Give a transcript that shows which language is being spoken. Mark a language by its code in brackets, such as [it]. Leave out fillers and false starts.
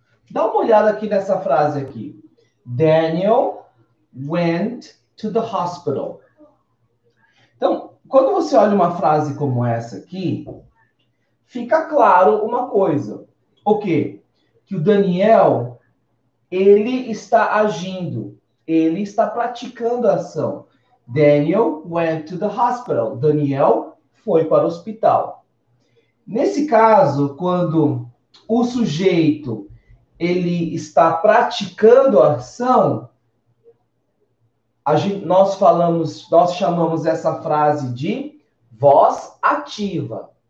[pt] Dá uma olhada aqui nessa frase aqui. [en] Daniel went to the hospital. [pt] Então, quando você olha uma frase como essa aqui, fica claro uma coisa. O quê? Que o Daniel, ele está agindo. Ele está praticando a ação. [en] Daniel went to the hospital. [pt] Daniel foi para o hospital. Nesse caso, quando o sujeito, ele está praticando a ação, nós chamamos essa frase de voz ativa.